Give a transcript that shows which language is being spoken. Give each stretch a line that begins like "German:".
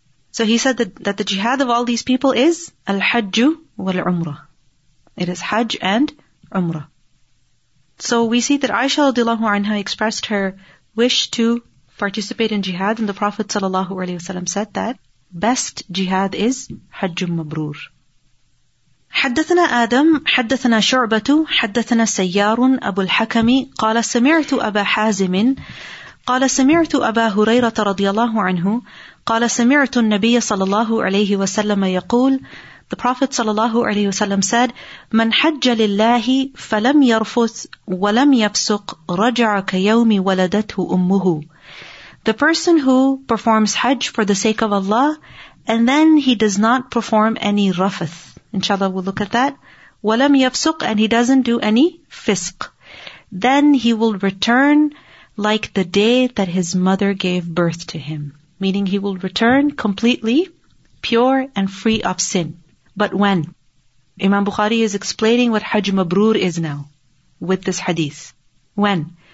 English: So he said that the jihad of all these people is al-hajju wal-umrah. It is hajj and umrah. So we see that Aisha radiallahu anha expressed her wish to participate in jihad, and the Prophet sallallahu alaihi wasallam said that best jihad is hajj mabrur.
Arabic: حدثنا آدم حدثنا شعبة حدثنا سيار أبو الحكم قال سمعت أبا حازم قال سمعت أبا هريرة رضي الله عنه قال سمعت النبي صلى الله عليه وسلم يقول
English: The Prophet صلى الله عليه وسلم said
Arabic: من حج لله فلم يرفث ولم يفسق رجع كيوم ولدته أمه
English: The person who performs Hajj for the sake of Allah and then he does not perform any rafath. Inshallah, we'll look at that.
Arabic: وَلَمْ يَفْسُقْ
English: And he doesn't do any fisq. Then he will return like the day that his mother gave birth to him. Meaning he will return completely pure and free of sin. But when? Imam Bukhari is explaining what Hajj Mabrur is now with this hadith. When?